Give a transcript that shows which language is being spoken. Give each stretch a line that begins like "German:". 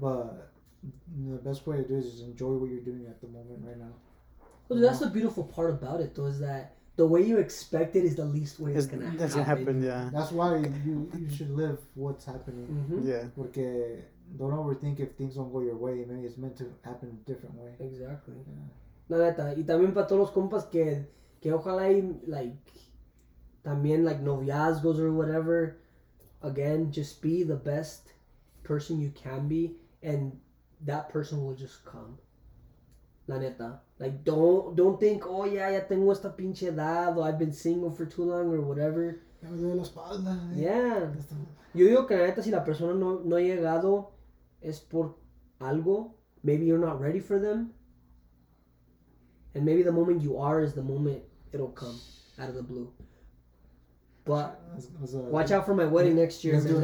English: But the best way to do it is enjoy what you're doing at the moment right now. Well, that's the beautiful part about it, though, is that the way you expect it is the least way it's going to happen. That's going to happen, yeah. That's why you should live what's happening. Mm-hmm. Yeah. Porque don't overthink if things don't go your way. Maybe it's meant to happen a different way. Exactly. Yeah.
Spanish: La neta. Y también para todos los compas que ojalá y, like, también, like, noviazgos
English: or whatever. Again, just be the best person you can be. And that person will just come.
Spanish: La neta.
English: Like, don't think, oh, yeah,
Spanish: ya tengo esta pinche edad.
English: Or I've been single for too long or whatever.
Spanish: Ya me duele la espalda.
English: Yeah.
Spanish: Yo digo que la neta, si la persona no ha llegado... Es por algo.
English: Maybe you're not ready for them. And maybe the moment you are is the moment it'll come out of the blue. But watch out for my wedding next year.